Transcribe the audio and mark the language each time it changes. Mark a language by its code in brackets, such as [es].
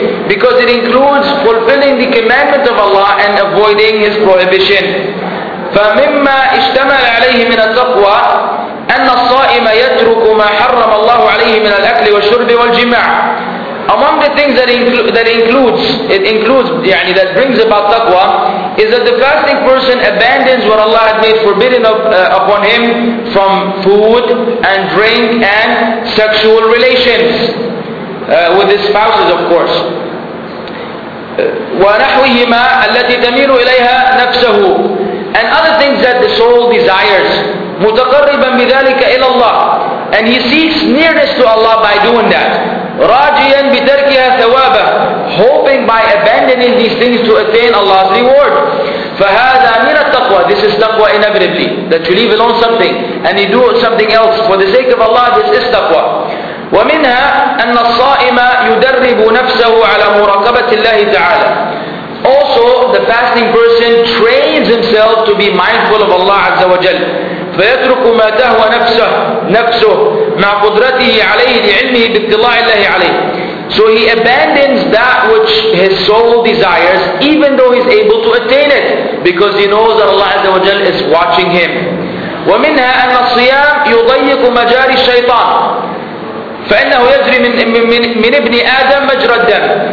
[en] Because it includes fulfilling the commandment of Allah and avoiding His prohibition. [ar] فمما اشتمل عليه من التقوى أن الصائم يترك ما حرم الله عليه من الأكل والشرب والجماع. [en] Among the things that includes, يعني that brings about taqwa, is that the fasting person abandons what Allah has made forbidden upon him from food and drink and sexual relations with his spouses, of course. [ar] ونحوهما التي تميل إليها نفسه, [en] and other things that the soul desires. [ar] متقربا بذلك إلى الله, [en] and he seeks nearness to Allah by doing that. [ar] راجيا بتركها ثوابه, [en] hoping by abandoning these things to attain Allah's reward. [ar] فهذا من التقوى, [en] this is taqwa inevitably, that you leave alone something and you do something else for the sake of Allah, this is taqwa. [ar] ومنها أن الصائم يدرب نفسه على مراقبة الله تعالى. [en] Also, the fasting person trains himself to be mindful of Allah عز وجل. [ar] فيترك ما تهوى نفسه مع قدرته عليه لعلمه باطلاع الله عليه. [en] So he abandons that which his soul desires, even though he's able to attain it, because he knows that Allah عز وجل is watching him. [ar] ومنها أن الصيام يضيق مجاري الشيطان. فإنه يجري من ابن آدم مجرى الدم.